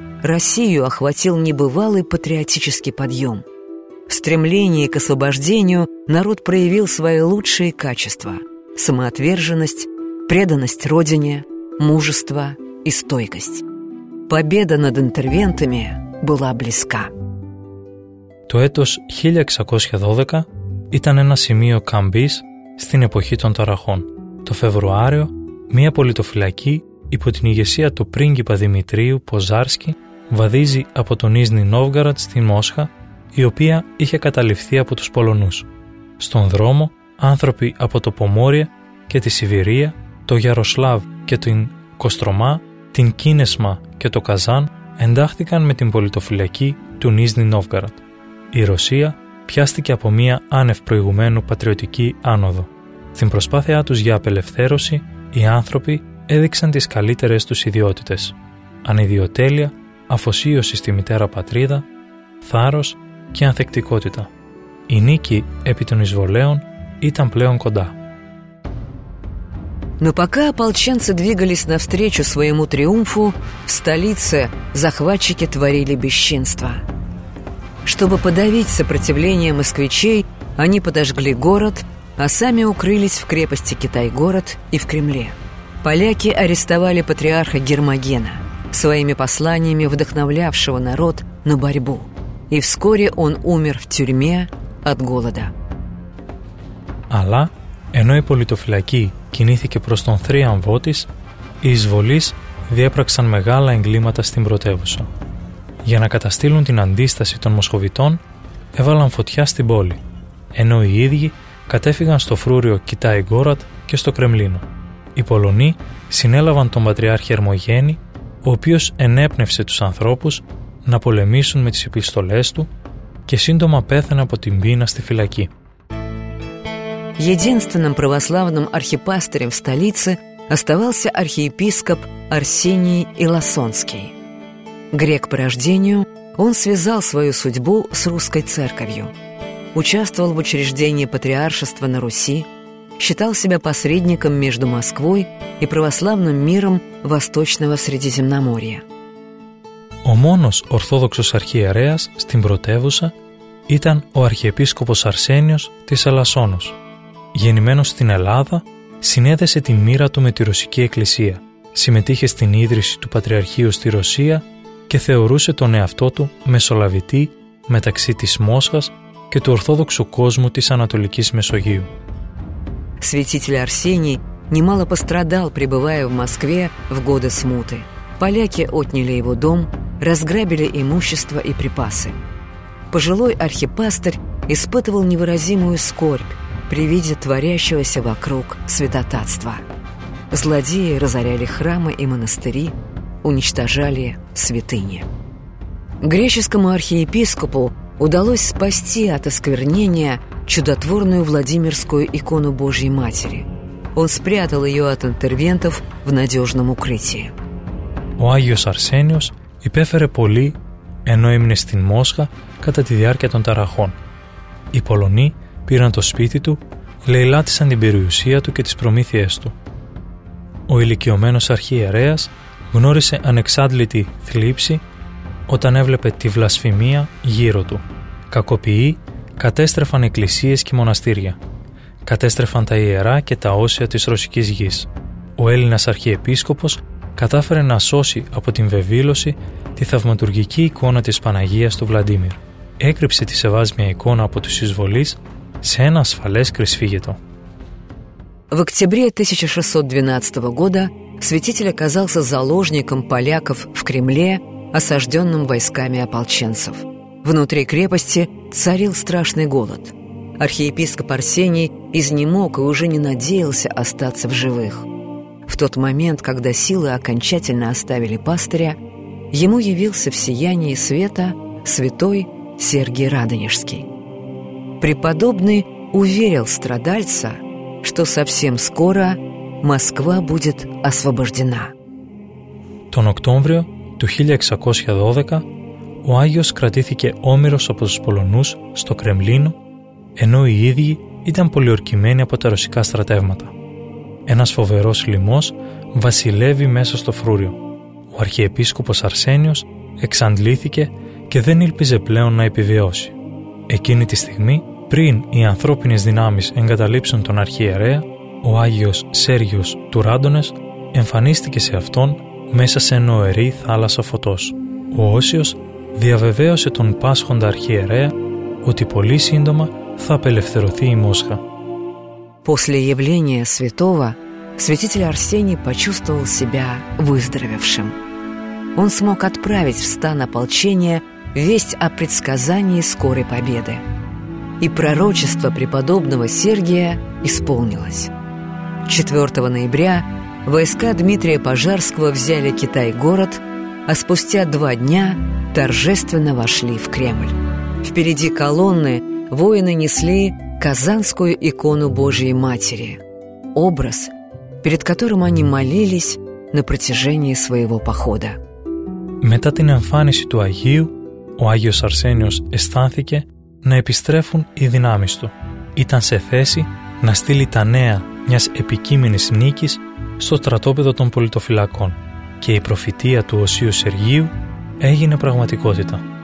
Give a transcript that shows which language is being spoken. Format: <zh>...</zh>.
<ru>Россию охватил небывалый патриотический подъем. В стремлении к освобождению народ проявил свои лучшие качества – самоотверженность, преданность Родине, мужество и стойкость. Победа над интервентами была близка.</ru> <el>То этос 1612 ήταν ένα σημείο καμπής στην εποχή των Ταραχών. Το Φεβρουάριο, μια πολιτοφυλακή υπό την ηγεσία του πρίγκιπα Δημητρίου Ποζάρσκι βαδίζει από τον Νίζνη Νόβγαραντ στη Μόσχα, η οποία είχε καταληφθεί από τους Πολωνούς. Στον δρόμο, άνθρωποι από το Πομόρια και τη Σιβηρία, το Γιαροσλάβ και την Κοστρομά, την Κίνεσμα και το Καζάν εντάχθηκαν με την πολιτοφυλακή του Νίζνη Νόβγαραντ. Η Ρωσία πιάστηκε από μια άνευ προηγουμένου πατριωτική άνοδο. Στην προσπάθειά τους για απελευθέρωση, οι άνθρωποι έδειξαν τις καλύτερες τους ιδιότητες. Ανιδιοτέλεια, αφοσίωση στη μητέρα πατρίδα, θάρρος και ανθεκτικότητα. Η νίκη επί των εισβολέων ήταν πλέον κοντά.</el> <ru>Но пока ополченцы двигались навстречу своему триумфу, в столице захватчики творили бесчинство. Чтобы подавить сопротивление москвичей, они подожгли город, а сами укрылись в крепости Китай-город и в Кремле. Поляки арестовали патриарха Гермогена, своими посланиями вдохновлявшего народ на борьбу. И вскоре он умер в тюрьме от голода.</ru> <el>Алла, ενώ η πολιτοφυλακή κινήθηκε προς τον θρίαμβό της, η εισβολής διέπραξαν μεγάλα εγκλήματα στην πρωτεύουσα. Για να καταστήλουν την αντίσταση των Μοσχοβητών, έβαλαν φωτιά στην πόλη, ενώ οι ίδιοι κατέφυγαν στο φρούριο Κιτάι Γκόρατ και στο Κρεμλίνο. Οι Πολωνοί συνέλαβαν τον Πατριάρχη Ερμογέννη, ο οποίος ενέπνευσε τους ανθρώπους να πολεμήσουν με τις επιστολές του και σύντομα πέθανε από την πείνα στη φυλακή.</el> <ru>Единственным православным архипастырем в столице оставался архиепископ Арсений Илосонский. Грек по рождению, он связал свою судьбу с русской церковью. Участвовал в учреждении патриаршества на Руси, считал себя посредником между Москвой и православным миром Восточного Средиземноморья.</ru> <el>Ο μόνος ορθόδοξος αρχιερέας στην πρωτεύουσα ήταν ο αρχιεπίσκοπος Αρσένιος της Ελασσόνος. Γεννημένος στην Ελλάδα, συνέδεσε τη μοίρα του με τη Ρωσική Εκκλησία, συμμετείχε στην ίδρυση του Πατριαρχείου στη Ρωσία και θεωρούσε τον εαυτό του μεσολαβητή μεταξύ της Μόσχας και του Ορθόδοξου κόσμου της Ανατολικής Μεσογείου.</el> <ru>Святитель Арсений немало пострадал, пребывая в Москве в годы смуты. Поляки отняли его дом, разграбили имущество и припасы. Пожилой архипастырь испытывал невыразимую скорбь при виде творящегося вокруг святотатства. Злодеи разоряли храмы и монастыри, уничтожали святыни. Греческому архиепископу удалось спасти от осквернения чудотворную Владимирскую икону Божьей Матери. Он спрятал ее от интервентов в надежном укрытии.</ru> <el>Ο Άγιος Αρσένιος υπέφερε πολύ, ενώ έμεινε στην Μόσχα κατά τη διάρκεια των ταραχών. Οι Πολωνοί πήραν το σπίτι του, λαιλάτισαν την περιουσία του και τις προμήθειές του. Ο ηλικιωμένος αρχιερέας γνώρισε ανεξάντλητη θλίψη όταν έβλεπε τη βλασφημία γύρω του. Κακοποιοί κατέστρεφαν εκκλησίες και μοναστήρια. Κατέστρεφαν τα ιερά και τα όσια της Ρωσικής Γης. Ο Έλληνας αρχιεπίσκοπος κατάφερε να σώσει από την βεβήλωση τη θαυματουργική εικόνα της Παναγίας του Βλαντίμιρ. Έκρυψε τη σεβάσμια εικόνα από τους εισβολείς σε ένα ασφαλές κρυσφύγετο.</el> <ru>В октябре 1612 года святитель оказался заложником поляков в Кремле, осажденным войсками ополченцев. Внутри крепости царил страшный голод. Архиепископ Арсений изнемог и уже не надеялся остаться в живых. В тот момент, когда силы окончательно оставили пастыря, ему явился в сиянии света святой Сергий Радонежский. Преподобный уверил страдальца, что совсем скоро Москва будет освобождена.</ru> <el>Τον Οκτώβριο του 1612 ο Άγιος κρατήθηκε όμηρος από τους Πολωνούς στο Κρεμλίνο, ενώ οι ίδιοι ήταν πολιορκημένοι από τα ρωσικά στρατεύματα. Ένας φοβερός λοιμός βασιλεύει μέσα στο φρούριο. Ο αρχιεπίσκοπος Αρσένιος εξαντλήθηκε και δεν ήλπιζε πλέον να επιβιώσει. Εκείνη τη στιγμή, πριν οι ανθρώπινες δυνάμεις εγκαταλείψουν τον αρχιερέα, ο Άγιος Σέργιος του Ράντονες εμφανίστηκε σε αυτόν μέσα σε νοερή θάλασσα φωτός. Ο Όσιος διαβεβαίωσε τον πάσχοντα αρχιερέα ότι πολύ σύντομα θα απελευθερωθεί η Μόσχα.</el> <ru>После явления святого святитель Арсений почувствовал себя выздоровевшим. Он смог отправить в стан ополчения весть о предсказании скорой победы. И пророчество преподобного Сергия исполнилось. 4 ноября войска Дмитрия Пожарского взяли Китай-город, а спустя два дня торжественно вошли в Кремль. Впереди колонны воины несли Казанскую икону Божьей Матери, образ, перед которым они молились на протяжении своего похода.</ru> <el>Μετά την εμφάνιση του Αγίου, ο Άγιος Αρσένιος αισθάνθηκε να επιστρέφουν οι δυνάμεις του. Ήταν σε θέση να στείλει τα νέα μιας επικείμενης νίκης στο στρατόπεδο των πολιτοφυλακών και η προφητεία του Οσίου Σεργίου έγινε πραγματικότητα.</el>